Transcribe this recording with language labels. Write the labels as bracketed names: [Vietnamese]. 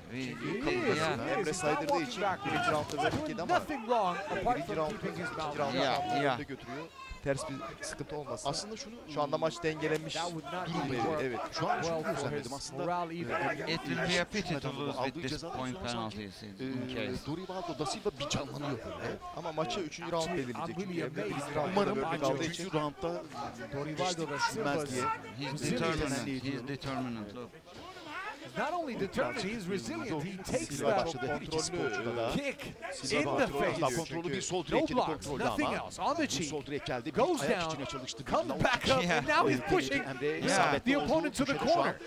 [Turkish] Emre saydırdığı için birinci round'da verdik yedi ama birinci round'da götürüyor. Ters bir sıkıntı olmasın. Aslında şunu şu anda maç dengelenmiş durumda. Evet. Şu an şunu düzenledim aslında. [English] It will be a pity to lose with this point penalty in case. [Turkish] Rivaldo Da Silva bir canlanıyor. Ama maça 3. round belirleyecek. Umarım 3. round'da Rivaldo da sürmez diye. [English] He's determined. not only determined, he's resilient. He takes that kick in the face. No blocks, nothing else. On the cheek, goes down, comes back up, and now he's pushing the opponent to the corner.